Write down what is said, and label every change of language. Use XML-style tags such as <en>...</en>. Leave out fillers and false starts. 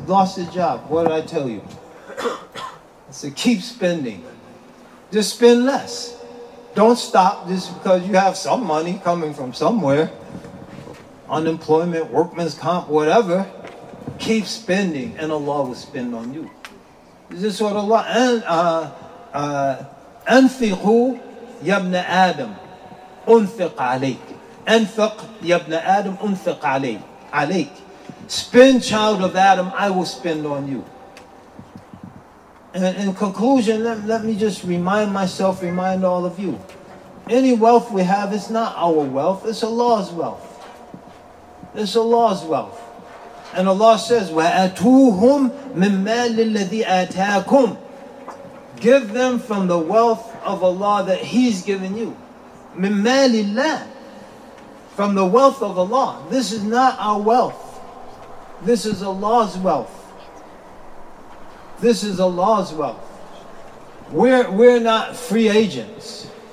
<en>Lost his job. What did I tell you? I said, keep spending. Just spend less. Don't stop just because you have some money coming from somewhere. Unemployment, workman's comp, whatever. Keep spending, and Allah will spend on you. This is what Allah...</en> <ar>أنفقوا يا ابن آدم أنفق عليك. أنفق يا ابن آدم أنفق عليك.</ar> <en>Spend, child of Adam, I will spend on you. And in conclusion, let me just remind myself, remind all of you. Any wealth we have is not our wealth, it's Allah's wealth. It's Allah's wealth. And Allah says,</en> <ar>وَأَتُوهُمْ مِنْ مَالِ الَّذِي آتَاكُمْ.</ar> <en>Give them from the wealth of Allah that He's given you.</en> <ar>مِنْ مَالِ اللَّهِ.</ar> <en>From the wealth of Allah. This is not our wealth. This is Allah's wealth. This is Allah's wealth. We're not free agents.</en>